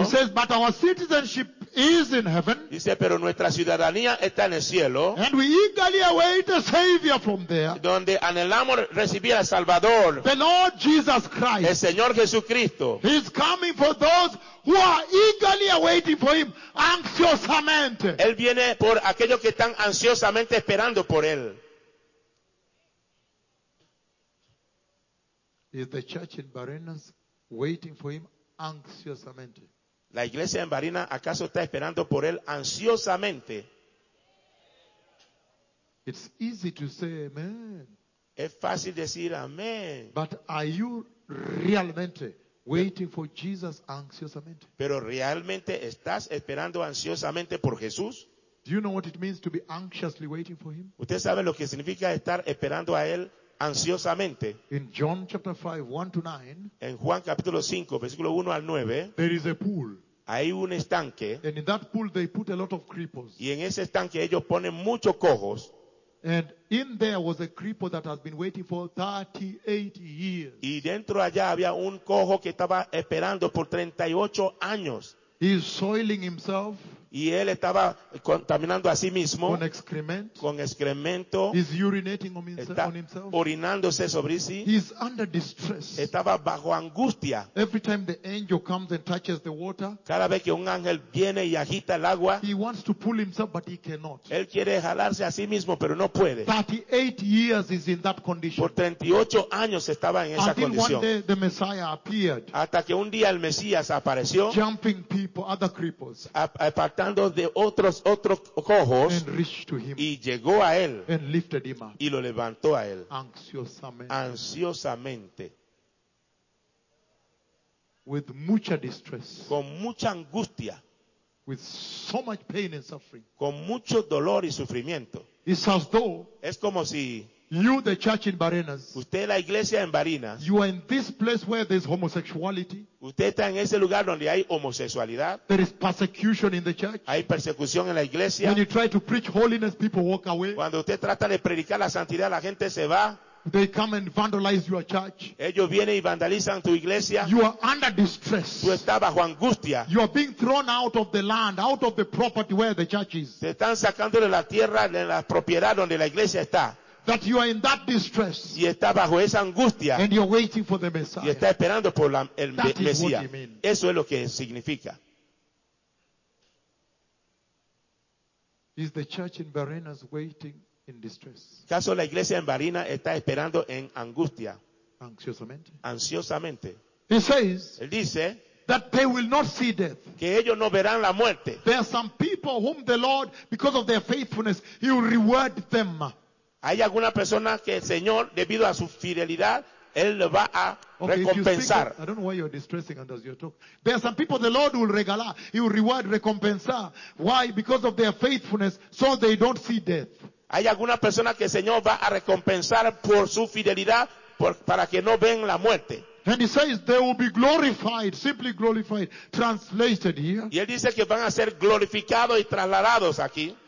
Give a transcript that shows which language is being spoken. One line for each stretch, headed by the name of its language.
English: It says, but our citizenship is in heaven.
Spanish: Dice, pero nuestra ciudadanía está en el cielo.
English: And we eagerly await a Savior from there.
Spanish: Donde anhelamos recibir al Salvador.
English: The Lord Jesus Christ.
Spanish: El Señor Jesucristo.
English: He's coming for those who are eagerly awaiting for him, anxiosamente.
Spanish: Él viene por aquellos que están ansiosamente esperando por él.
English: Is the church in Barinas waiting for him anxiosamente?
Spanish: ¿La iglesia en Barinas acaso está esperando por él ansiosamente?
English: It's easy to say amen.
Spanish: Es fácil decir amén.
English: But are you realmente waiting for Jesus anxiosamente?
Spanish: ¿Pero realmente estás esperando ansiosamente por Jesús?
English: Do you know what it means to be anxiously waiting for him?
Spanish: ¿Usted sabe lo que significa estar esperando a él ansiosamente?
English: In John chapter 5, 1 to 9.
Spanish: En Juan capítulo 5, versículo 1 al 9.
English: There is a pool.
Spanish: Hay un estanque.
English: And in that pool they put a lot of cripples.
Spanish: Y en ese estanque ellos ponen muchos cojos.
English: And in there was a cripple that has been waiting for 38 years.
Spanish: Y dentro allá había un cojo que estaba esperando por 38 años.
English: He is soiling himself.
Spanish: Y él estaba contaminando a sí mismo con excremento.
English: He's urinating on himself.
Spanish: Está orinándose sobre sí.
English: He's under distress.
Spanish: Estaba bajo angustia.
English: Every time the angel comes and touches the water,
Spanish: cada vez que un ángel viene y agita el agua,
English: he wants to pull himself, but he cannot.
Spanish: Él quiere jalarse a sí mismo, pero no puede.
English: 38 years is in that condition.
Spanish: Por 38 años estaba en esa condición.
English: Until one day the Messiah appeared.
Spanish: Hasta que un día el Mesías apareció.
English: Jumping people, other cripples.
Spanish: De otros cojos y llegó a él y lo levantó a él ansiosamente with mucha distress, con mucha angustia
English: with so much pain and suffering.
Spanish: Con mucho dolor y sufrimiento.
English: It's as though
Spanish: es como si
English: you, the church in Barinas,
Spanish: usted la iglesia en Barinas,
English: you are in this place where there's homosexuality.
Spanish: Usted está en ese lugar donde hay homosexualidad.
English: There is persecution in the church.
Spanish: Hay persecución en la iglesia.
English: When you try to preach holiness, people walk away.
Spanish: Cuando usted trata de predicar la santidad, la gente se va.
English: They come and vandalize your church.
Spanish: Ellos vienen y vandalizan tu iglesia.
English: You are under distress.
Spanish: Tú estás bajo angustia.
English: You are being thrown out of the land, out of the property where the church is.
Spanish: Te están sacando de la tierra, de la propiedad donde la iglesia está.
English: That you are in that distress.
Spanish: Y está bajo esa angustia.
English: And you're waiting for the Messiah.
Spanish: Y está esperando por el Mesías. Eso es lo que significa.
English: Is the church in Barinas waiting in distress?
Spanish: ¿Caso la iglesia en Barinas está esperando en angustia? Ansiosamente. Ansiosamente.
English: He says.
Spanish: Él dice.
English: That they will not see death.
Spanish: Que ellos no verán la muerte.
English: There are some people whom the Lord, because of their faithfulness, he will reward them.
Spanish: Hay alguna persona que el Señor, debido a su fidelidad, Él le va a recompensar.
English: Okay, of, I don't know why you're distressing under your talk. There are some people the Lord will regalar. He will reward, recompensar. Why? Because of their faithfulness, so they don't see death.
Spanish: Hay alguna persona que el Señor va a recompensar por su fidelidad, para que no ven la muerte.
English: And he says they will be glorified, simply glorified, translated here.
Spanish: Y Él dice que van a ser glorificados y trasladados aquí.